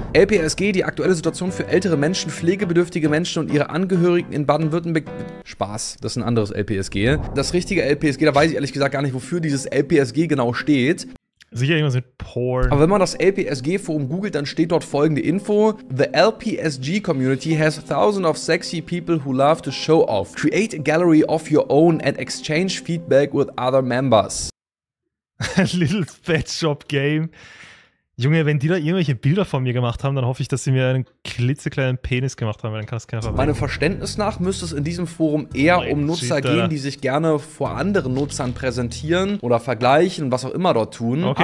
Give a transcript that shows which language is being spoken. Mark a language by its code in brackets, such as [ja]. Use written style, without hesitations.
[de] LPSG, die aktuelle Situation für ältere Menschen, pflegebedürftige Menschen und ihre Angehörigen in Baden-Württemberg. Spaß, das ist ein anderes LPSG. Das richtige LPSG, da weiß ich ehrlich gesagt gar nicht, wofür dieses LPSG genau steht. Sicher irgendwas mit Porn. Aber wenn man das LPSG-Forum googelt, dann steht dort folgende Info. [en] The LPSG community has thousands of sexy people who love to show off. Create a gallery of your own and exchange feedback with other members. Little Fat Shop Game. [de] Junge, wenn die da irgendwelche Bilder von mir gemacht haben, dann hoffe ich, dass sie mir einen klitzekleinen Penis gemacht haben, weil dann kann das keiner verwenden. Meinem Verständnis nach müsste es in diesem Forum eher um Nutzer gehen, die sich gerne vor anderen Nutzern präsentieren oder vergleichen und was auch immer dort tun. Okay,